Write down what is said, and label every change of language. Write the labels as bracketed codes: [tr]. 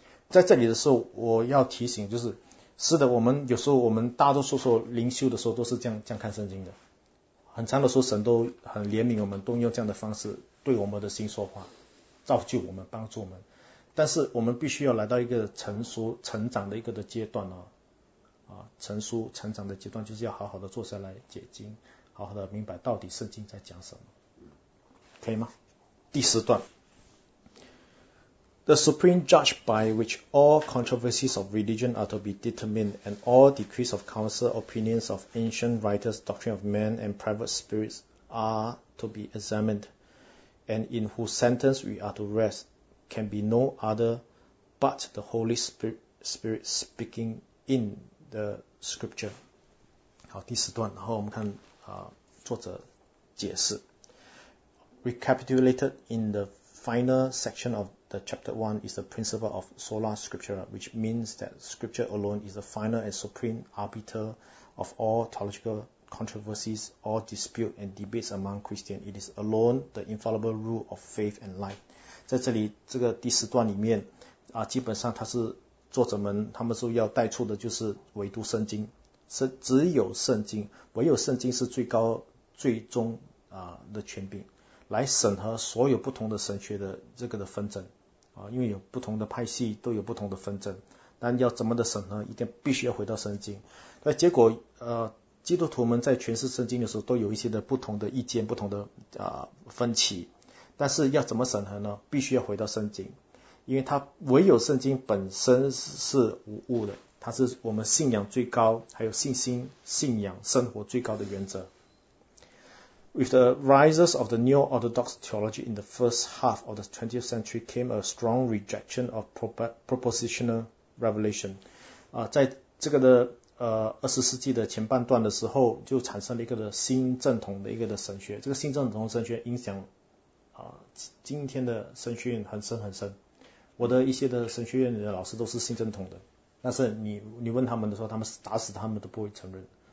[zh] 在这里的时候，我要提醒，就是，是的，我们有时候我们大多数时候灵修的时候都是这样看圣经的，很长的时候神都很怜悯我们，都用这样的方式对我们的心说话，造就我们，帮助我们。但是我们必须要来到一个成熟成长的一个的阶段成熟成长的阶段就是要好好的坐下来解经，好好的明白到底圣经在讲什么，可以吗？第十段。 [en] The supreme judge by which all controversies of religion are to be determined and all decrees of council, opinions of ancient writers, doctrine of men and private spirits are to be examined, and in whose sentence we are to rest can be no other but the Holy Spirit speaking in the scripture. [zh] 好，第十段，然后我们看作者解释。 [en] Recapitulated in the final section of the chapter 1 is the principle of sola scriptura, which means that scripture alone is the final and supreme arbiter of all theological controversies, all dispute and debates among Christian. It is alone the infallible rule of faith and life. [zh] 在这里这个第十段里面基本上它是作者们他们说要带出的就是唯独圣经，是只有圣经，唯有圣经是最高最终的权柄，来审核所有不同的神学的这个的纷争。因为有不同的派系，都有不同的纷争，但要怎么的审核，一定必须要回到圣经。那结果，基督徒们在诠释圣经的时候，都有一些的不同的意见，不同的分歧。但是要怎么审核呢？必须要回到圣经，因为它唯有圣经本身是无误的，它是我们信仰最高，还有信心、信仰、生活最高的原则。 [en] With the rises of the new orthodox theology in the first half of the 20th century came a strong rejection of propositional revelation. [zh] 在这个的20世纪的前半段的时候，就产生了一个的新正统的一个的神学。这个新正统神学影响今天的神学院很深很深。我的一些的神学院里的老师都是新正统的，但是你问他们的时候，他们打死他们都不会承认。